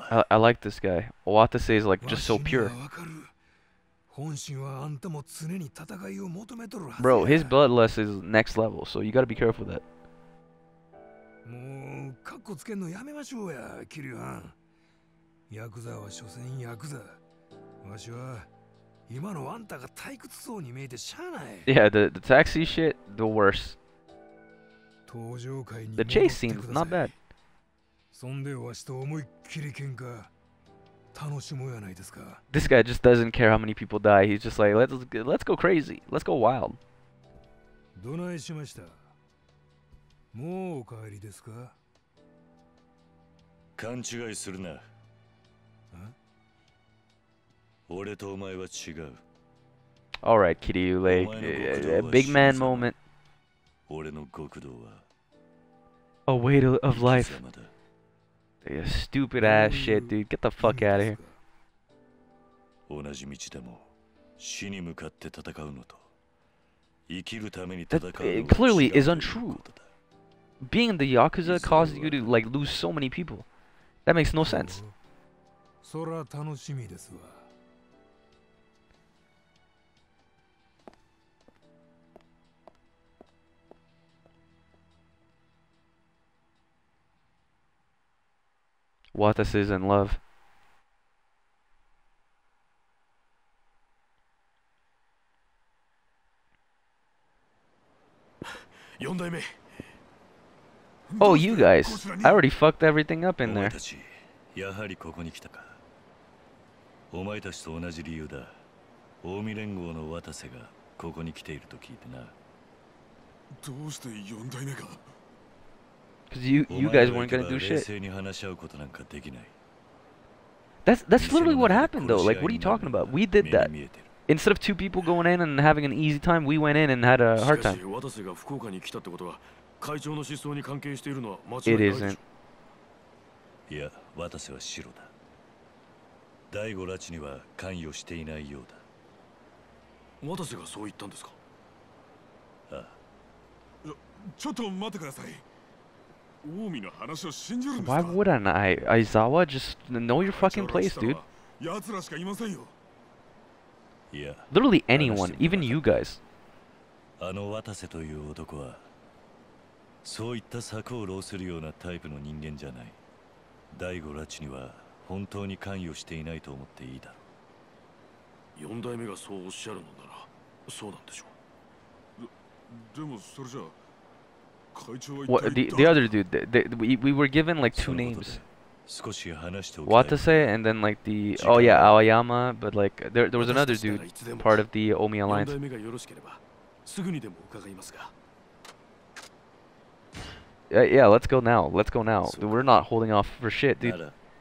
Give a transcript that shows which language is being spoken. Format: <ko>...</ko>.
<en>I like this guy. Watase is like just so pure. Bro, his bloodlust is next level, so you gotta be careful with that.</en> <ja>もうカッコつけんのやめましょうや、キリュハン。ヤクザは所詮ヤクザ。わしは今のあんたが退屈そうに見えてしゃあない。</ja> <en>Yeah, the taxi shit, the worst.</en> <ja>登場会に</ja> <en>The chase seems not bad.</en> <ja>そんでわしと思いっきり喧嘩。楽しもうやないですか。</ja> <en>This guy just doesn't care how many people die. He's just like, let's go crazy. Let's go wild.</en> <ja>どないしました？もうお帰りですか？勘違いするな。俺とお前は違う。</ja> <en>All right, Kiryu, like, a big man moment.</en> <ja>俺の極道は</ja> <en>A way to, of life. Stupid ass shit, dude. Get the fuck out of here.</en> <ja>同じ道でも死に向かって戦うのと生きるために戦うのは</ja> <en>That clearly is untrue. Being in the Yakuza caused you to like lose so many people. That makes no sense.</en> <ja>そら楽しみですわ。</ja> <en>What this is in love.</en> <ja>Four 代目</ja> <en>Oh, you guys. I already fucked everything up in there.</en> <ja>お前たち、やはりここに来たか。お前たちと同じ理由だ。大海連合の渡瀬がここに来ていると聞いてな。どうして四代目か。</ja> <en>Because you guys weren't gonna do shit.</en> <ja>冷静に話し合うことなんかできない。</ja> <en>That's literally what happened though. Like, what are you talking about? We did that. Instead of two people going in and having an easy time, we went in and had a hard time.</en> <ja>しかし、渡瀬が福岡に来たってことは。会長の失踪に関係しているのは間違いないでしょ。 It isn't. いや、渡瀬はシロだ。ダイゴ拉致には関与していないようだ。渡瀬がそう言ったんですか？ああ。ちょっと待ってください。オウミの話を信じるんです</ja> <en>か？Why wouldn't I? Aizawa, just know your fucking place, dude. 会長</en> <ja>拉致さんは奴らしかいませんよ。いや、</ja> <en>Literally anyone, even you guys.</en> <ja>あの渡瀬という男は、そういった策を弄するようなタイプの人間じゃない。ダイゴ拉致には本当に関与していないと思っていいだろう。四代目がそうおっしゃるのならそうなんでしょう。でもそれじゃあ会長は一体誰だ。</ja> <en>What, the other dude, we were given like two names.</en> <ja>少し話しておきたい。</ja> <en>Watase and then like the, oh yeah, Aoyama, but like there was another dude, part of the Omi Alliance.</en> <ja>四代目がよろしければすぐにでも伺いますが。</ja> <en>Yeah, let's go now. Let's go now. Dude, we're not holding off for shit, dude.</en>